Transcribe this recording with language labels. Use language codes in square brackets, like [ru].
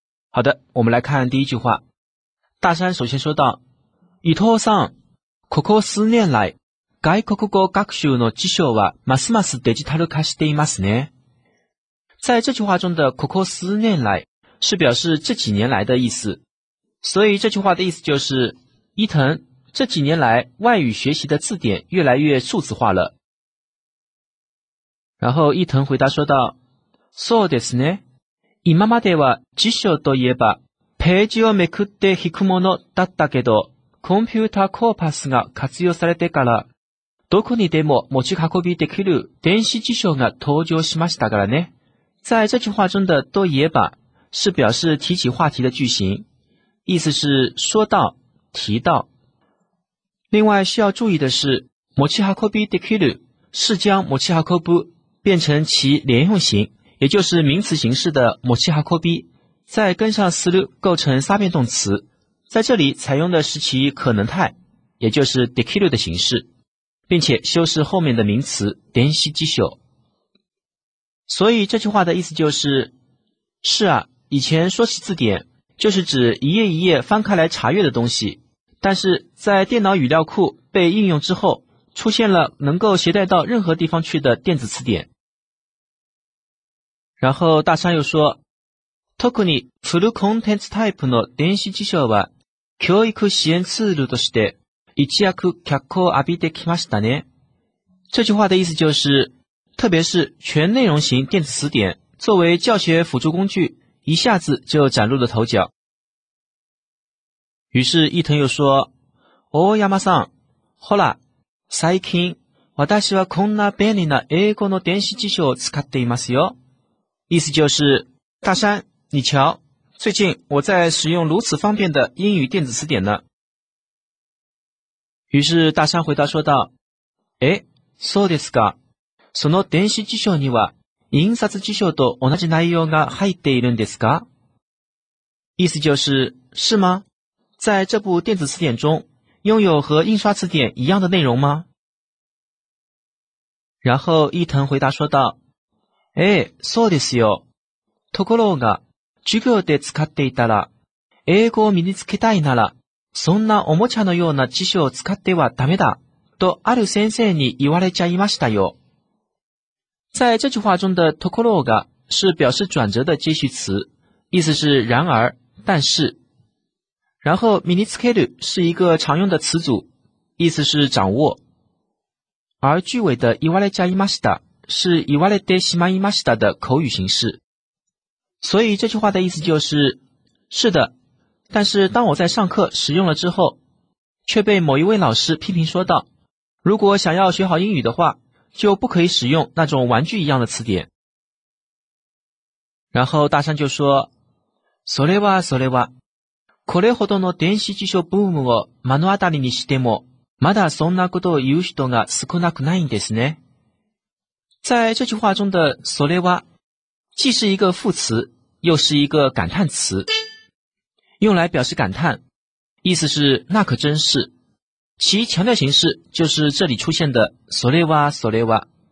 [zh] 好的，我们来看第一句话。大山首先说到， [ja] 伊藤さん、ここ数年来、外国語学習の辞書はますますデジタル化していますね。 [zh] 在这句话中的ここ数年来，是表示这几年来的意思。所以这句话的意思就是，伊藤，这几年来外语学习的字典越来越数字化了。然后伊藤回答说道， [ja] そうですね。今までは辞書といえばページをめくって引くものだったけど、コンピューターコーパスが活用されてから、どこにでも持ち運びできる電子辞書が登場しましたからね。 [zh] 在这句话中的といえば是表示提起话题的句型，意思是说到、提到。另外需要注意的是，持ち運びできる是将持ち運ぶ变成其连用型。也就是名词形式的持ち運び，再跟上する构成三变动词，在这里采用的是其可能态，也就是できる的形式，并且修饰后面的名词電子辞書。所以这句话的意思就是，是啊，以前说起字典，就是指一页一页翻开来查阅的东西，但是在电脑语料库被应用之后，出现了能够携带到任何地方去的电子词典。然后大山又说， [ja] 特にフルコンテンツタイプの電子辞書は教育支援ツールとして一躍脚光浴びてきましたね。 [zh] 这句话的意思就是，特别是全内容型电子词典作为教学辅助工具，一下子就崭露了头角。于是伊藤又说， [ja] 大山さん、ほら、最近私はこんな便利な英語の電子辞書を使っていますよ。 [zh] 意思就是，大山，你瞧，最近我在使用如此方便的英语电子词典呢。于是大山回答说道， [ja] え、そうですか。その電子辞書には印刷辞書と同じ内容が入っているんですか？ [zh] 意思就是，是吗？在这部电子词典中，拥有和印刷词典一样的内容吗？然后伊藤回答说道， [ja] え、そうですよ。ところが、授業で使っていたら、英語を身につけたいなら、そんなおもちゃのような辞書を使ってはダメだ、とある先生に言われちゃいましたよ。 [zh] 在这句话中的ところが是表示转折的接续词，意思是然而、但是。然后身につける是一个常用的词组，意思是掌握。而句尾的言われちゃいました是言われてしまいました的口语形式。所以这句话的意思就是，是的，但是当我在上课使用了之后，却被某一位老师批评说道，如果想要学好英语的话，就不可以使用那种玩具一样的词典。然后大山就说， [ja] それはそれは、これほどの電子辞書ブームを目の当たりにしても、まだそんなことを言う人が少なくないんですね。 [zh] 在这句话中的それは，既是一个副词，又是一个感叹词，用来表示感叹，意思是那可真是。其强调形式就是这里出现的それはそれは。